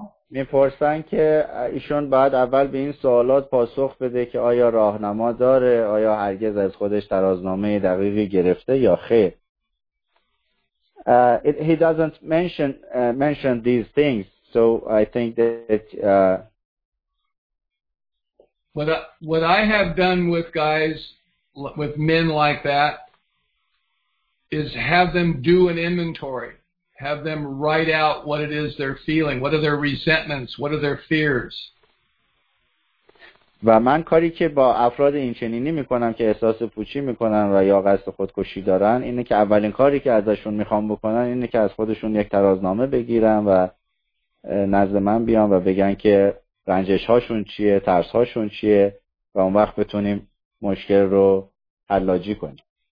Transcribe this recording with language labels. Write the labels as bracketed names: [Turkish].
[Persian] میپرسن که ایشون باید اول به این سوالات پاسخ بده که آیا راهنما داره، آیا هرگز از خودش ترازنامه دقیقی گرفته یا خیر. [English] He doesn't mention these things, so I think that what I have done with guys, with men like that, is have them do an inventory. Have them write out what it is they're feeling. What are their resentments? What are their fears? [Persian] و من کاری که با افراد اینچنینی میکنم که احساس پوچی میکنن و یا قصد خودکشی دارن اینه که اولین کاری که ازشون میخوام بکنن اینه که از خودشون یک ترازنامه بگیرن و نزد من بیان و بگن که رنجش هاشون چیه، ترس هاشون چیه و اون وقت بتونیم مشکل رو حلاجی کنیم.